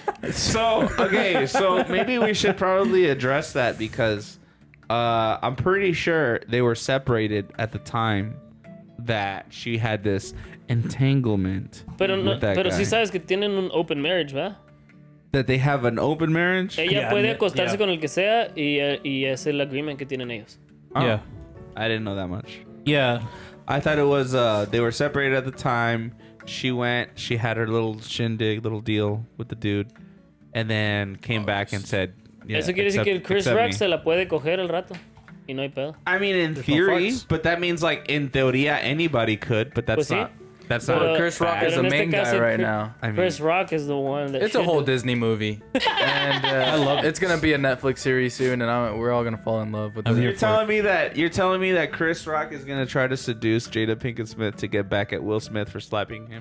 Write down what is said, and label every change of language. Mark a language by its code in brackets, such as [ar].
[en] So maybe we should probably address that, because I'm pretty sure they were separated at the time that she had this entanglement with that guy. [es] Pero sí sabes que tienen un [en] open marriage, [es] ¿verdad? [en] That they have an open marriage? [es] Ella puede acostarse con el que sea y es el agreement que tienen ellos. [en] Oh. Yeah. I didn't know that much. Yeah. I thought it was they were separated at the time. She went, she had her little shindig, little deal with the dude, and then came back and said, yeah, [es] eso quiere decir que Chris Rock se la puede coger al rato. [en] I mean, in theory, but that means, like, in theoria, anybody could, but that's not. But Chris Rock is the main guy right now. I mean, Chris Rock is the one that it's a whole Disney movie. And I love it. It's going to be a Netflix series soon, and we're all going to fall in love with this. You're telling me that Chris Rock is going to try to seduce Jada Pinkett Smith to get back at Will Smith for slapping him?